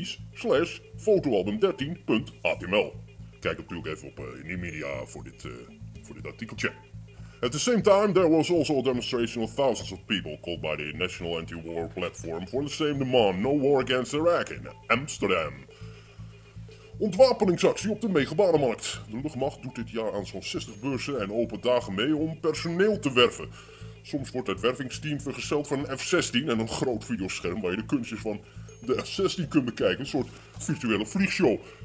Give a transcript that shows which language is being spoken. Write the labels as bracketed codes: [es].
[nl] http://homepage.mac.com/jbeentjes/demonstraties/fotoalbum13.html. Kijk natuurlijk even op New Media voor dit artikeltje. [en] At the same time, there was also a demonstration of thousands of people called by the National Anti-War Platform for the same demand, No War Against Iraq, in Amsterdam. [nl] Ontwapeningsactie op de Megabarenmarkt. De luchtmacht doet dit jaar aan zo'n 60 beurzen en open dagen mee om personeel te werven. Soms wordt het wervingsteam vergezeld van een F-16 en een groot videoscherm waar je de kunstjes van de F-16 kunt bekijken. Een soort virtuele vliegshow.